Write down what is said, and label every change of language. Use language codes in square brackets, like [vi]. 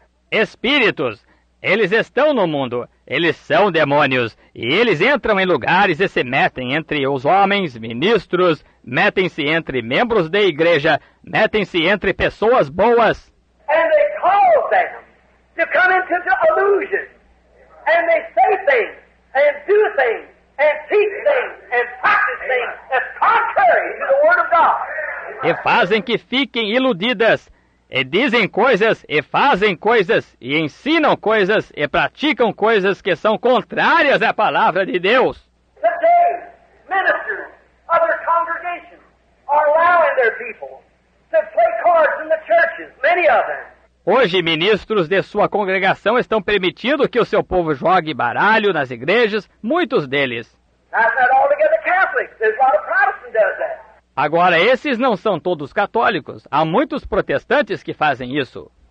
[pt] Espíritos, eles estão no mundo. Eles são demônios, e eles entram em lugares e se metem entre os homens, ministros, metem-se entre membros da igreja, metem-se entre pessoas boas. [en] And they call them to come into the illusion. And they say things, and do things, and teach things, and practice things that's contrary to the word of God. [pt] E fazem que fiquem iludidas. E dizem coisas, e fazem coisas, e ensinam coisas, e praticam coisas que são contrárias à palavra de Deus. [en] Today, ministers of their congregations are allowing their people to play cards in the churches, many of them. [pt] Hoje, ministros de sua congregação estão permitindo que o seu povo jogue baralho nas igrejas, muitos deles. [en] That's not altogether Catholic. There's a lot of Protestant does that. [pt] Agora, esses não são todos católicos. Há muitos protestantes que fazem isso.